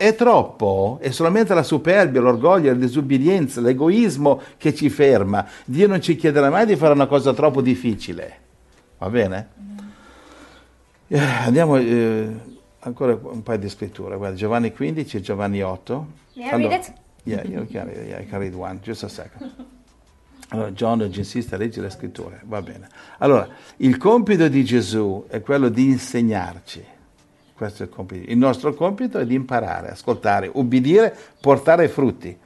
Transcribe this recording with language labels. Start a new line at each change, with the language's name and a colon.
Italian: È troppo, è solamente la superbia, l'orgoglio, la disubbidienza, l'egoismo che ci ferma. Dio non ci chiederà mai di fare una cosa troppo difficile. Va bene? Andiamo ancora un paio di scritture. Guarda, Giovanni 15 e Giovanni 8. Allora,
English: I can read one, just a second.
Italian: Allora, John ci insiste a leggere le scritture, va bene. Allora, il compito di Gesù è quello di insegnarci, questo è il compito. Il nostro compito è di imparare, ascoltare, ubbidire, portare frutti.